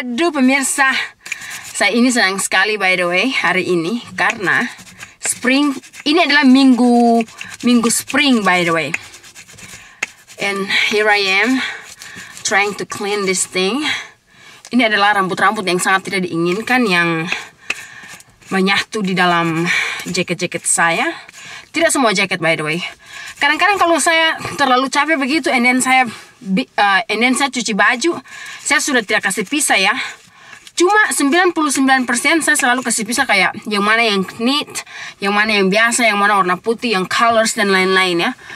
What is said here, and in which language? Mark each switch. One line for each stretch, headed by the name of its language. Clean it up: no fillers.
Indonesian: Pemirsa, saya ini senang sekali by the way hari ini karena spring ini adalah minggu spring by the way.
English: And here I am trying to clean this thing.
Indonesian: Ini adalah rambut-rambut yang sangat tidak diinginkan yang menyatu di dalam jaket-jaket saya. Tidak semua jaket by the way. Kadang-kadang kalau saya terlalu capek begitu and then saya And then saya cuci baju, saya sudah tidak kasih pisah ya. Cuma 99% saya selalu kasih pisah kayak yang mana yang neat, yang mana yang biasa, yang mana warna putih, yang colors dan lain-lain ya.